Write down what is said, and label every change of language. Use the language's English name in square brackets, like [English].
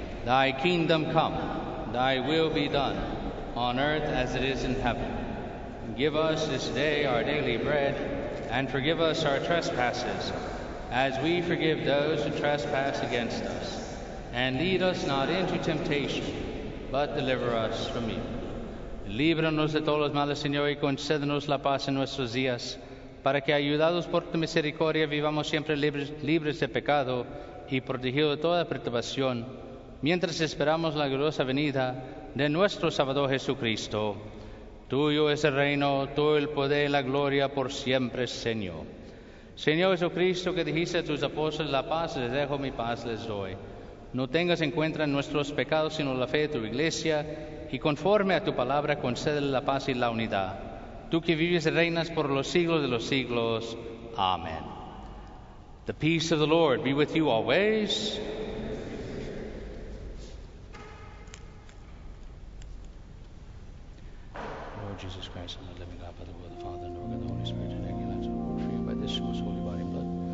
[English] Thy kingdom come, thy will be done, on earth as it is in heaven. Give us this day our daily bread, and forgive us our trespasses, as we forgive those who trespass against us. And lead us not into temptation, but deliver us from evil. [Spanish] Líbranos de todos los males, Señor, y concédenos la paz en nuestros días, para que, ayudados por tu misericordia, vivamos siempre libres de pecado y protegidos de toda perturbación, mientras esperamos la gloriosa venida de nuestro Salvador Jesucristo. Tuyo es el reino, tuyo el poder y la gloria por siempre, Señor. Señor Jesucristo, que dijiste a tus apóstoles, la paz les dejo, mi paz les doy. No tengas en cuenta nuestros pecados, sino la fe de tu Iglesia, y conforme a tu palabra, concédele la paz y la unidad. Tú que vives y reinas por los siglos de los siglos. Amén. [English] The peace of the Lord be with you always. Lord Jesus Christ, I'm the living God, by the will of the Father, and the work of the Holy Spirit, and I give you for you by this most holy body and blood.